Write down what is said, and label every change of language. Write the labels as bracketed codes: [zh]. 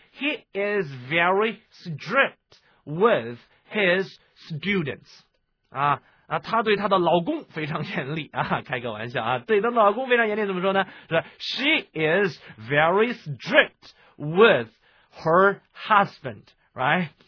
[en] He is very strict with his students 啊。 [zh] 啊，她对她的老公非常严厉啊，开个玩笑啊，对她老公非常严厉，怎么说呢？ [en] 是 she is very strict with her husband, right?